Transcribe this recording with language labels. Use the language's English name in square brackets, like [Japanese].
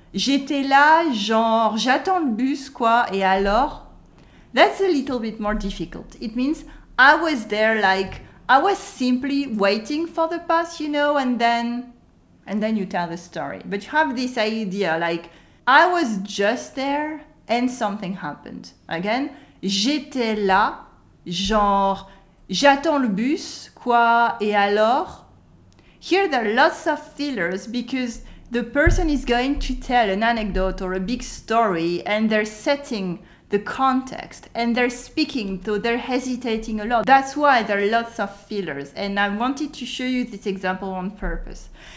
[French] J'étais là, genre, j'attends le bus, quoi, et alors? [English] That's a little bit more difficult. It means, I was there like, I was simply waiting for the bus, you know, and then you tell the story. But you have this idea like, I was just there and something happened. [French] Again, j'étais là, genre, j'attends le bus, quoi, et alors? [English] Here there are lots of fillers because the person is going to tell an anecdote or a big story and they're setting the context, and they're speaking, so they're hesitating a lot. That's why there are lots of fillers, and I wanted to show you this example on purpose.